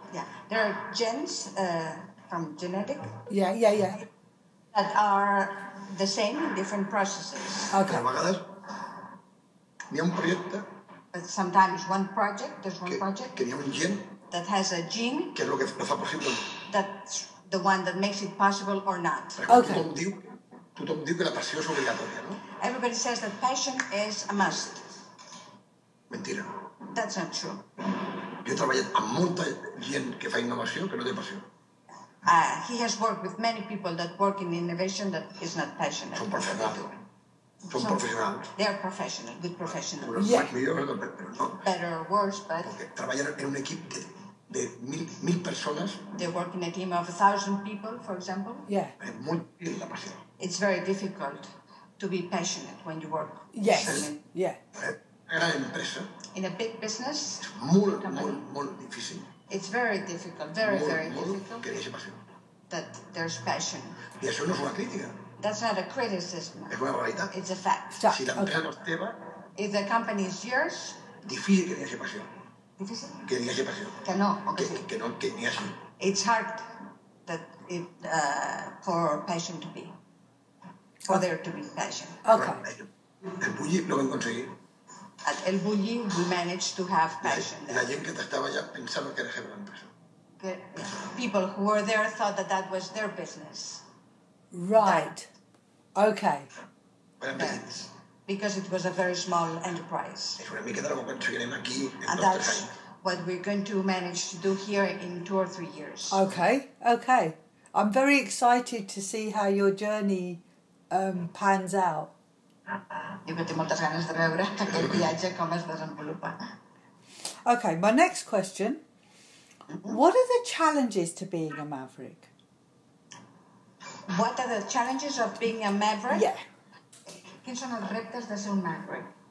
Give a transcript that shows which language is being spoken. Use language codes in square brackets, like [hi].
[en] Yeah, there are genes from genetic. Yeah. That are the same in different processes. Okay. [ca] A vegades n'hi ha un projecte. [en] But sometimes one project, there's one project. [ca] Que n'hi ha un gen. [en] That has a gene. [ca] Que és el que no fa possible. [en] That's the one that makes it possible or not. Okay. [ca] Tothom diu que la passió és obligatòria, no? [en] Everybody says that passion is a must. [ca] Mentira. [en] That's not true. [ca] Jo he treballat amb molta gent que fa innovació que no té passió. [en] He has worked with many people that work in innovation that is not passionate. [ca] Són professionals. Són professionals. [en] They are professional, good professionals. Well, yeah. [ca] Millor, però no. [en] Better or worse, but... [ca] Porque treballen en un equip de 1,000 persones. [en] They work in a team of 1,000 people, for example. Yeah. [ca] És molt difícil la passió. [en] It's very difficult to be passionate when you work. Yes, in... yeah. [ca] Gran empresa. [en] In a big business, [ca] molt difícil. [en] It's very difficult, very, [ca] molt, [en] very [ca] molt [en] difficult. [ca] Que deixi passió. [en] That there's passion. [ca] I això no és una crítica. [en] That's not a criticism. [ca] És una realitat. [en] It's a fact. Stop. [ca] Si l'empresa [en] okay [ca] no és teva... [en] If the company is yours... [ca] Difícil que n'hi hagi passió. Difícil? Que n'hi hagi passió. Que no, o que sí. Que no, que n'hi hagi. [en] It's hard that it, for passion to be. For there to be passion. Okay. [ca] El Bulli no ho hem aconseguit. [en] At El Bulli, we managed to have passion. [es] La gente que estaba allá pensaba que era jefe de empresa. [en] People who were there thought that that was their business. Right. That. Okay. Because it was a very small enterprise. [ca] Es una mica [es] de lo que [ca] conseguirem aquí en dos tres anys. [en] And that's what we're going to manage to do here in 2 or 3 years. Okay. Okay. I'm very excited to see how your journey pans out. [ca] Jo que tinc moltes ganes de veure aquest viatge com es desenvolupa. [en] Okay, my next question. What are the challenges to being a maverick? What are the challenges of being a maverick? Yeah. [ca] Quins són els reptes de ser un maverick?